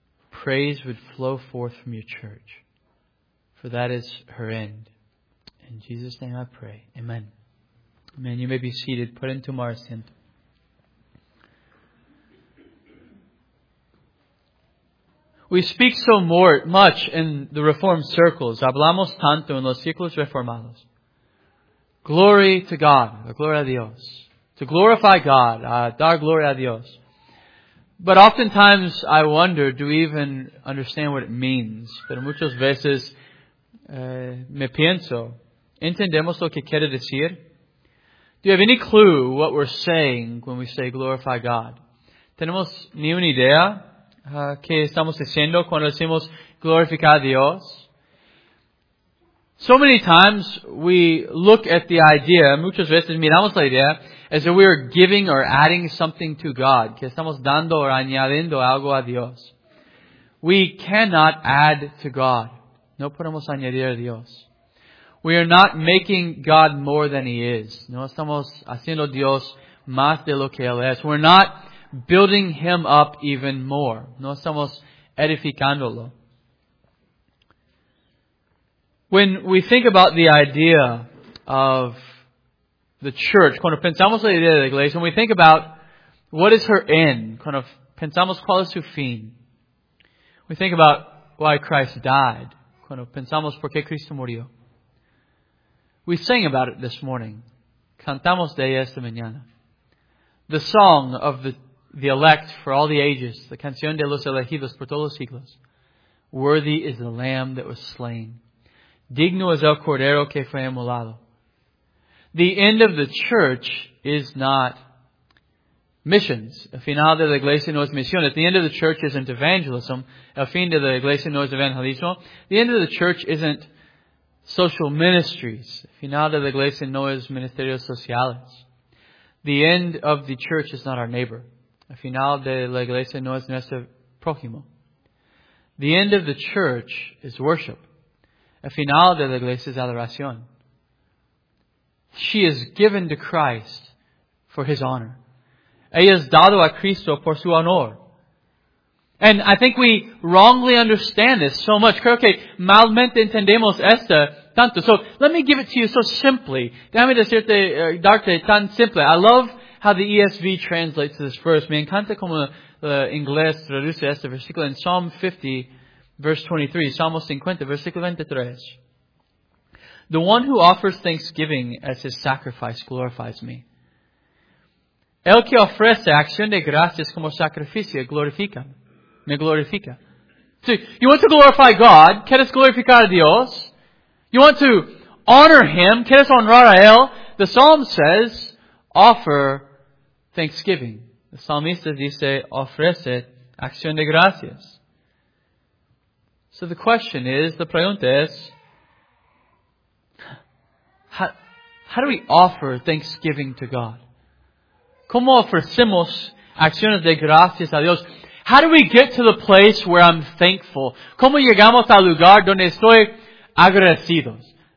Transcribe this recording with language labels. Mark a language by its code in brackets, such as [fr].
[en] Praise would flow forth from your church, for that is her end. In Jesus' name I pray. Amen. Amen. You may be seated. Put into Marston. We speak so much in the Reformed circles. [es] Hablamos tanto en los círculos reformados. [en] Glory to God. [es] Gloria a Dios. [en] To glorify God. [es] Dar gloria a Dios. [en] But oftentimes I wonder, do we even understand what it means? [es] Pero muchas veces me pienso, ¿entendemos lo que quiere decir? [en] Do you have any clue what we're saying when we say glorify God? [es] ¿Tenemos ni una idea qué estamos diciendo cuando decimos glorificar a Dios? [en] So many times we look at the idea, [es] muchas veces miramos la idea, [en] as if we are giving or adding something to God. [es] Que estamos dando o añadiendo algo a Dios. [en] We cannot add to God. [es] No podemos añadir a Dios. [en] We are not making God more than He is. [es] No estamos haciendo Dios más de lo que Él es. [en] We're not building Him up even more. [es] No estamos edificándolo. [en] When we think about the idea of the church, [es] cuando pensamos la idea de la iglesia, [en] when we think about what is her end, [es] cuando pensamos cuál es su fin, [en] we think about why Christ died, [es] cuando pensamos por qué Cristo murió. [en] We sang about it this morning. [es] Cantamos de esta mañana. [en] The song of the elect for all the ages, the [es] canción de los elegidos por todos los siglos. [en] Worthy is the Lamb that was slain. [es] Digno es el Cordero que fue inmolado. [en] The end of the church is not missions. [es] El final de la iglesia no es misiones. [en] The end of the church isn't evangelism. [es] El fin de la iglesia no es evangelismo. [en] The end of the church isn't social ministries. [es] El final de la iglesia no es ministerios sociales. [en] The end of the church is not our neighbor. [es] El final de la iglesia no es nuestro prójimo. [en] The end of the church is worship. [es] El final de la iglesia es adoración. [en] She is given to Christ for His honor. [es] Ella es dado a Cristo por su honor. [en] And I think we wrongly understand this so much. [es] Creo que malmente entendemos esta tanto. [en] So let me give it to you so simply. [es] Déjame decirte, darte tan simple. [en] I love how the ESV translates this verse. [es] Me encanta como el inglés traduce este versículo en [en] Psalm 50, verse 23. [es] Salmo 50, versículo 23. [en] The one who offers thanksgiving as his sacrifice glorifies me. [es] El que ofrece acción de gracias como sacrificio glorifica. Me glorifica. [en] So, you want to glorify God? [es] ¿Quieres glorificar a Dios? [en] You want to honor Him? [es] ¿Quieres honrar a Él? [en] The psalm says, offer thanksgiving. [es] The psalmista dice, ofrece acción de gracias. [en] So the question is, [es] the pregunta es, [en] how do we offer thanksgiving to God? [es] ¿Cómo ofrecemos acciones de gracias a Dios? [en] How do we get to the place where I'm thankful? [es] ¿Cómo llegamos al lugar donde estoy agradecidos?